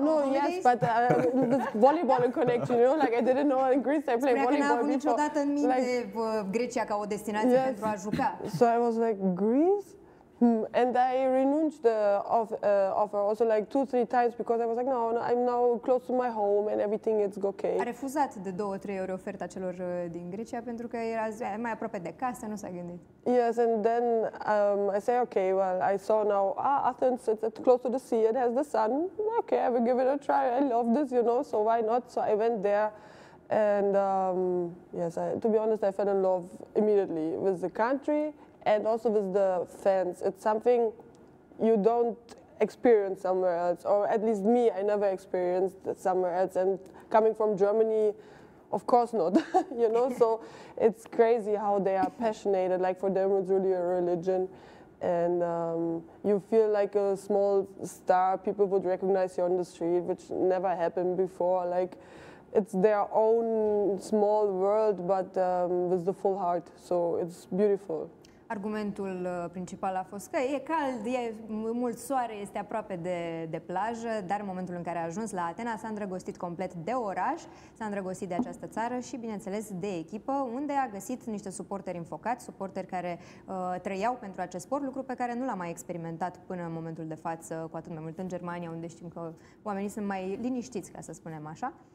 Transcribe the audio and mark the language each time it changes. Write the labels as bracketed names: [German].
[English] No, no, yes, but volleyball in connection, you know? Like, I didn't know in Greece I played volleyball before. [Romanian] Spunea că n-a avut niciodată în minte like, Grecia ca o destinație yes. pentru a juca. [English] So I was like, Greece? And I renounced the offer also like 2-3 times because I was like, no, I'm now close to my home and everything is okay. [Romanian] A refuzat de 2-3 ori oferta celor din Grecia pentru că era mai aproape de casă, nu s-a gândit. [English] Yes, and then I say, okay, well, I saw now, Athens, it's close to the sea, it has the sun. Okay, I will give it a try. I love this, you know, so why not? So I went there. And yes, to be honest, I fell in love immediately with the country. And also with the fans, it's something you don't experience somewhere else, or at least me, I never experienced it somewhere else. And coming from Germany, of course not, you know. So it's crazy how they are passionate. Like for them, it's really a religion, and you feel like a small star. People would recognize you on the street, which never happened before. Like it's their own small world, but with the full heart. So it's beautiful. [Romanian] Argumentul principal a fost că e cald, e mult soare, este aproape de plajă, dar în momentul în care a ajuns la Atena s-a îndrăgostit complet de oraș, s-a îndrăgostit de această țară și, bineînțeles, de echipă, unde a găsit niște suporteri înfocați, suporteri care trăiau pentru acest sport, lucru pe care nu l-a mai experimentat până în momentul de față, cu atât mai mult în Germania, unde știm că oamenii sunt mai liniștiți, ca să spunem așa.